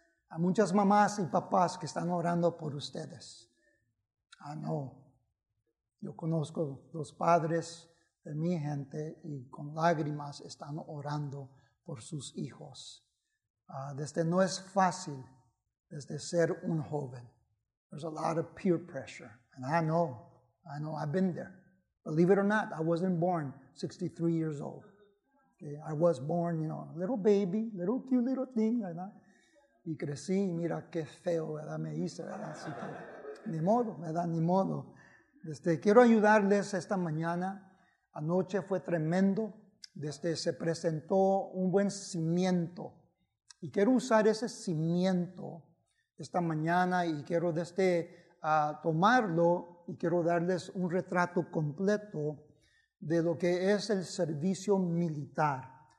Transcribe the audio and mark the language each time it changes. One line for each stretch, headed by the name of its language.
Spanish: A muchas mamás y papás que están orando por ustedes. Ah, no. Yo conozco los padres de mi gente y con lágrimas están orando por sus hijos. Desde no es fácil, desde ser un joven.
English: There's a lot of peer pressure. And I know, I've been there. Believe it or not, I wasn't born 63 years old. Okay? I was born, you know, a little baby, little cute little thing, you know.
Spanish: Y crecí, y mira qué feo, ¿verdad?, me hice, ¿verdad? Así que, ni modo, ¿verdad?, ni modo. Quiero ayudarles esta mañana. Anoche fue tremendo. Se presentó un buen cimiento. Y quiero usar ese cimiento esta mañana, y quiero tomarlo, y quiero darles un retrato completo de lo que es el servicio militar.